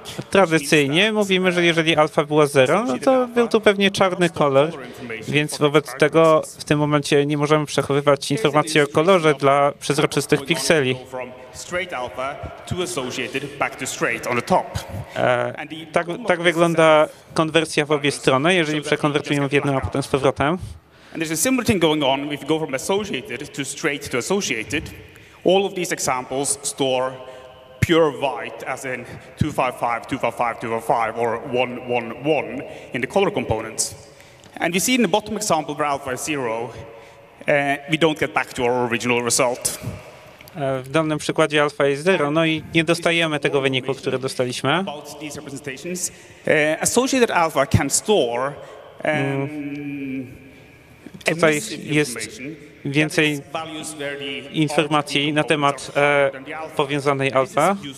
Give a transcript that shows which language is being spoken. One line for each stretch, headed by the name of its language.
Polish: Tradycyjnie mówimy, że jeżeli alfa była 0, no to był tu pewnie czarny kolor, więc wobec tego w tym momencie nie możemy przechowywać informacji o kolorze dla przezroczystych pikseli.
English: Straight alpha to associated back to straight on the top.
Polish: Tak wygląda konwersja w obie strony, jeżeli przekonwertujemy w jedną, a potem z powrotem.
English: And there's a similar thing going on if you go from associated to straight to associated. All of these examples store pure white as in 255, 255, 255 or 111 in the color components. And you see in the bottom example where alpha is zero, we don't get back to our original result.
Polish: W dolnym przykładzie alfa jest 0, no i nie dostajemy tego wyniku, który dostaliśmy.
English: Associated alpha can store
Polish: tutaj jest więcej informacji na temat powiązanej alfa.